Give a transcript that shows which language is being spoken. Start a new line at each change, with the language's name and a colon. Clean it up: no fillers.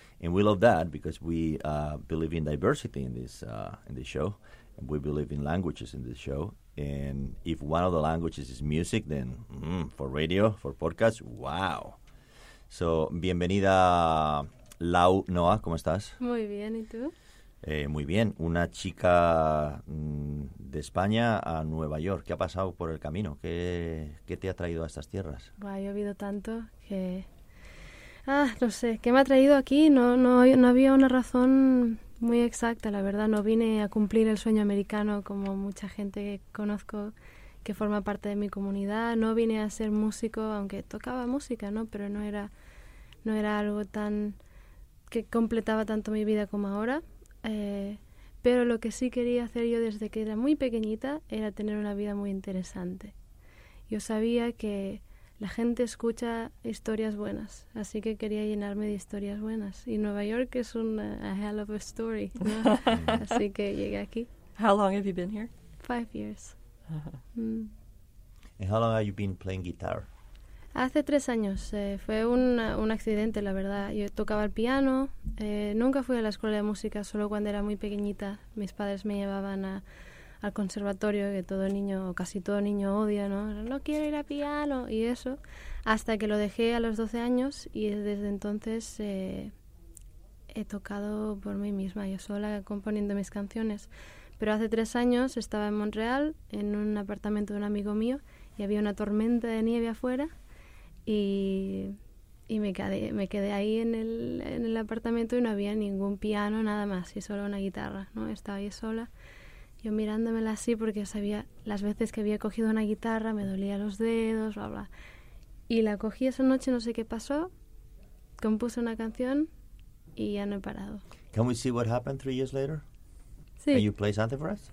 English: And we love that because we believe in diversity in this show. And we believe in languages in this show. And if one of the languages is music, then for radio, for podcast, wow.
Spanish: So, bienvenida, Lau Noah, ¿cómo estás? Muy bien, ¿y tú? Muy bien. Una chica de España a Nueva York. ¿Qué ha pasado por el camino? ¿Qué te ha traído a estas tierras? Ha llovido tanto que... no sé, ¿qué me ha traído aquí? No había una razón muy exacta, la verdad. No vine a cumplir el sueño americano como mucha gente que conozco que forma parte de mi comunidad. No vine a ser músico, aunque tocaba música, ¿no? Pero no era algo tan que completaba tanto mi vida como ahora. Pero lo que sí quería hacer yo desde que era muy pequeñita era tener una vida muy interesante. Yo sabía que la gente escucha historias buenas, así que quería llenarme de historias buenas. Y Nueva York es
English: a hell of a story,
Spanish: ¿no? Así que llegué aquí.
English: How long have you been here? 5 years. And how long have you been playing guitar?
Spanish: Hace 3 años. Fue un accidente, la verdad. Yo tocaba el piano. Nunca fui a la escuela de música, solo cuando era muy pequeñita. Mis padres me llevaban al conservatorio, que todo niño, o casi todo niño, odia, ¿no? No quiero ir a piano, y eso. Hasta que lo dejé a los 12 años, y desde entonces he tocado por mí misma, yo sola, componiendo mis canciones. Pero hace 3 años estaba en Montreal, en un apartamento de un amigo mío, y había una tormenta de nieve afuera, y me quedé ahí en el apartamento, y no había ningún piano, nada más, y solo una guitarra, ¿no? Estaba ahí sola. Yo mirándomela así porque sabía las veces que había cogido una guitarra, me dolía los dedos, bla, bla. Y la cogí esa noche, no sé qué pasó, compuse una canción y ya no he parado.
English: Can we see what happened 3 years later?
Spanish: Sí.
English: Can you play something for us?